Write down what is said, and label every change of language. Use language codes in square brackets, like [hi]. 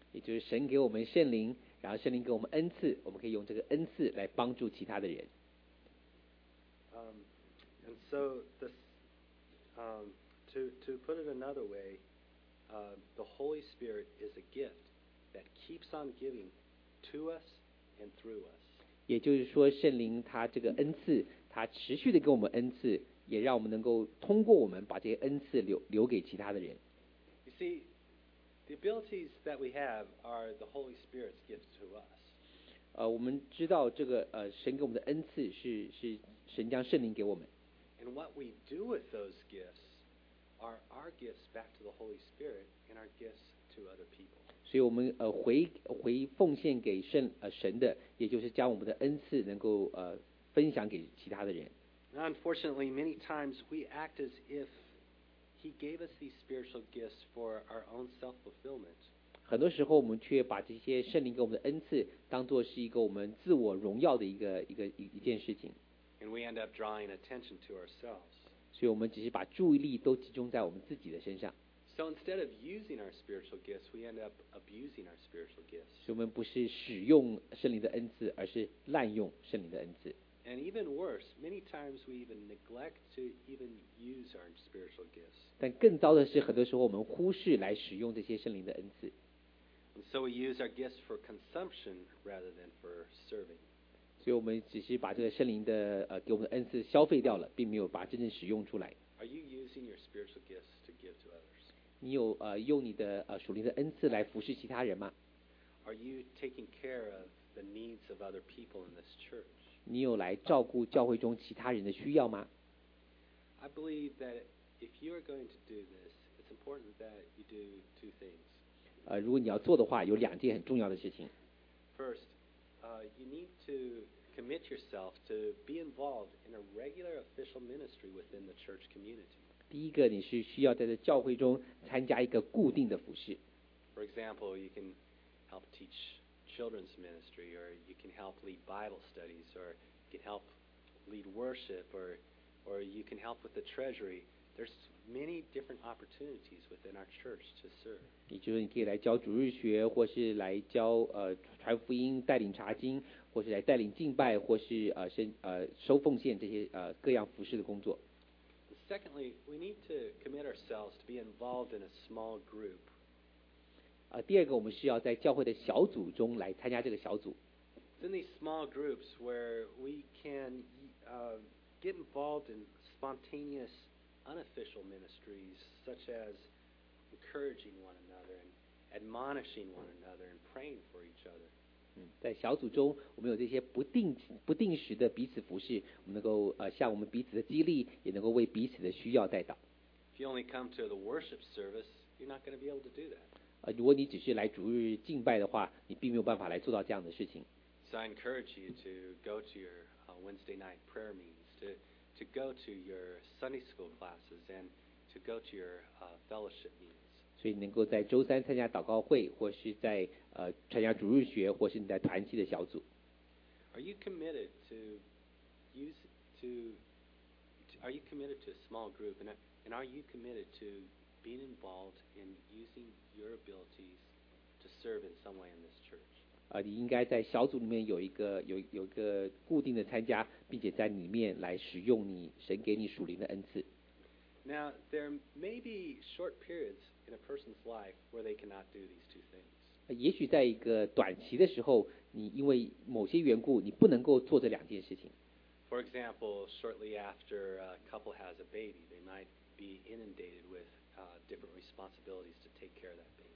[zh] 也就是神给我们圣灵，然后圣灵给我们恩赐，我们可以用这个恩赐来帮助其他的人。 [en] And so this, to put it another way, the Holy Spirit is a gift that keeps on giving to us and through us. [zh] 也就是说，圣灵他这个恩赐，他持续的给我们恩赐。也让我们能够通过我们把这些恩赐 留给其他的人。 [en] You see, the abilities that we have are the Holy Spirit's gift to us. [zh] 我们知道这个神给我们的恩赐是神将圣灵给我们。 [en] And what we do with those gifts are our gifts back to the Holy Spirit and our gifts to other people. [zh] 所以我们回奉献给神的，也就是将我们的恩赐能够分享给其他的人。 [en] Unfortunately, many times we act as if He gave us these spiritual gifts for our own self-fulfillment. [zh] 很多时候我们却把这些圣灵给我们的恩赐当作是一个我们自我荣耀的一件事情。 [en] And we end up drawing attention to ourselves. [zh] 所以我们只是把注意力都集中在我们自己的身上。 [en] So instead of using our spiritual gifts, we end up abusing our spiritual gifts. [zh] 所以我们不是使用圣灵的恩赐，而是滥用圣灵的恩赐。 [en] And even worse, many times we even neglect to even use our spiritual gifts. [zh] 但更糟的是，很多时候我们忽视来使用这些圣灵的恩赐。 [en] And so we use our gifts for consumption rather than for serving. [zh] 所以我们只是把这个圣灵的给我们的恩赐消费掉了，并没有把真正使用出来。 [en] Are you using your spiritual gifts to give to others? [zh] 你有用你的属灵的恩赐来服侍其他人吗？ [en] Are you taking care of the needs of other people in this church? [zh] 你有来照顾教会中其他人的需要吗？ [en] I believe that if you are going to do this, it's important that you do two things. [zh] 如果你要做的话，有两件很重要的事情。 [en] First, you need to commit yourself to be involved in a regular official ministry within the church community. [zh] 第一个，你是需要在这教会中参加一个固定的服事。 [en] For example, you can help teach. Children's ministry, or you can help lead Bible studies, or you can help lead worship, or you can help with the treasury. There's many different opportunities within our church to serve. [zh] 也就是你可以来教主日学，或是来教传福音、带领查经，或是来带领敬拜，或是收奉献这些各样服事的工作。 [en] Secondly, we need to commit ourselves to be involved in a small group. [zh] 第二个，我们需要在教会的小组中来参加这个小组。 [en] It's in these small groups where we can get involved in spontaneous, unofficial ministries, such as encouraging one another and admonishing one another and praying for each other. [zh] 在小组中，我们有这些不定时的彼此服事，我们能够向我们彼此的激励，也能够为彼此的需要代祷。 [en] If you only come to the worship service, you're not going to be able to do that. [zh] 如果你只是来主日敬拜的话，你并没有办法来做到这样的事情。 [en] So I encourage you to go to your Wednesday night prayer meetings, to go to your Sunday school classes, and to go to your fellowship meetings. [zh] 所以能够在周三参加祷告会，或是在参加主日学，或是你在团契的小组。 [en] Are you committed to a small group, and are you committed to being involved in using your abilities to serve in some way in this church? [zh] 你应该在小组里面有一个固定的参加，并且在里面来使用你神给你属灵的恩赐。 [en] Now there may be short periods in a person's life where they cannot do these two things. [zh] 也许在一个短期的时候，你因为某些缘故，你不能够做这两件事情。 [en] For example, shortly after a couple has a baby, they might be inundated with different responsibilities to take care of that.